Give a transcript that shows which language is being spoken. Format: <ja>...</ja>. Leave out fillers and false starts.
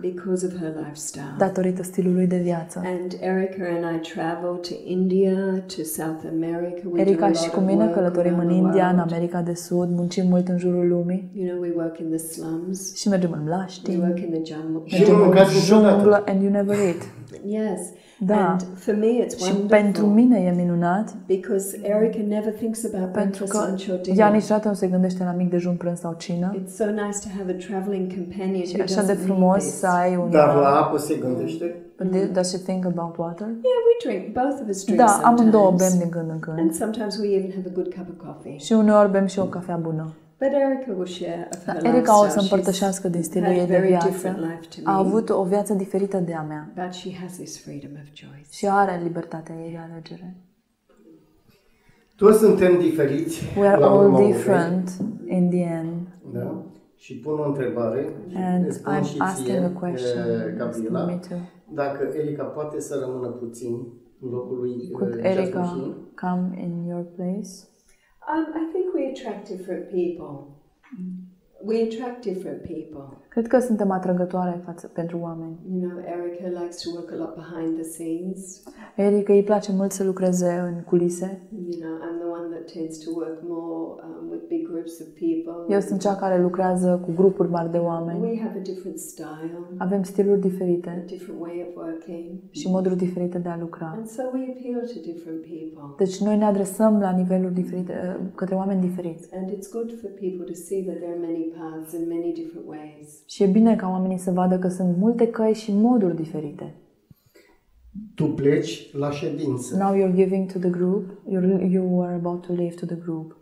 <en>Because of her lifestyle.</en> <ro>Datorită stilului de viață.</ro> <en>And Erica and I travel to India, to South America.</en> <ro>Erica și cu mine călătorim în India, în America de Sud, muncim mult în jurul lumii.</ro> <en>You know, we work in the slums.</en> <ro>Și mergem în mlaștini.</ro> <en>We work in the jungle.</en> <ro>Și mergem în jungle</ro> <en>and you never eat. Yes.</en> <ro>Da.</ro> <en>And for me it's</en> <ro>și pentru mine e minunat.</ro> <en>Because Erica never thinks about breakfast, lunch or dinner.</en> <ro>Ea niciodată nu se gândește la mic dejun, prânz sau cină.</ro> <en>It's so nice to have a traveling companion.</en> <ro>E așa de frumos să ai un. Dar la apă se gândește?</ro> <en>Does she think about water? Yeah, we drink. Both of us drink.</en> <ro>Da, amândouă bem din când în când.</ro> <en>And sometimes we even have a good cup of coffee.</en> <ro>Și uneori bem și o cafea bună.</ro> <en>But Erica will share of her.</en> <ro>Erica o să împărtășească din stilul ei de viață. A avut o viață diferită de a mea.</ro> <en>But she has this freedom of choice.</en> <ro>Și are libertatea ei de alegere. Toți suntem diferiți.</ro> <en>We are all different in the end.</en> <ro>Da. și pun o întrebare și spun și ție, Gabriela, dacă Erica poate să rămână puțin în locul lui</ro> <en>Erica come in your place? I think we attract different people. We attract different people.</en> <ro>Cred că suntem atrăgătoare față pentru oameni.</ro> <en>You know, Erica likes to work a lot behind the scenes.</en> <ro>Erica îi place mult să lucreze în culise.</ro> <en>You know, I'm the one that tends to work more with big groups of people.</en> <ro>Eu sunt cea care lucrează cu grupuri mari de oameni.</ro> <en>We have a different style.</en> <ro>Avem stiluri diferite.</ro> <en>A different way of working.</en> <ro>Și moduri diferite de a lucra.</ro> <en>And so we appeal to different people.</en> <ro>Deci noi ne adresăm la niveluri diferite către oameni diferiți.</ro> <en>And it's good for people to see that there are many paths and many different ways.</en> <ro>Și e bine ca oamenii să vadă că sunt multe căi și moduri diferite. Tu pleci la ședință.</ro> <en>Now you're giving to the group. You are about to leave to the group.</en>